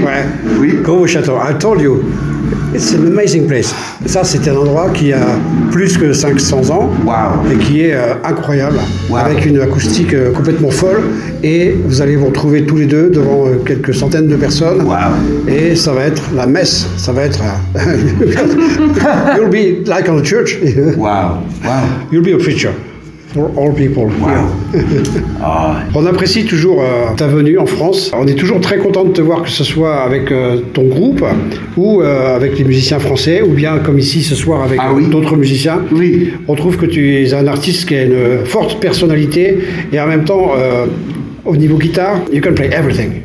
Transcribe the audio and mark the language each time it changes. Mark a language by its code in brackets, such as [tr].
[en] Ouais. Oui. Gros Château, I told you. It's an amazing place. [fr] Ça, c'est un endroit qui a plus que 500 ans. Wow. Et qui est incroyable. Wow. Avec une acoustique complètement folle. Et vous allez vous retrouver tous les deux devant quelques centaines de personnes. Wow. Et ça va être la messe. Ça va être. [en] You'll be like on the church. Wow. You'll be a preacher for all people. Wow. Here. [fr] On apprécie toujours ta venue en France. On est toujours très content de te voir, que ce soit avec ton groupe ou avec les musiciens français, ou bien comme ici ce soir avec d'autres musiciens. Oui. On trouve que tu es un artiste qui a une forte personnalité et en même temps, au niveau guitare, [en] you can play everything.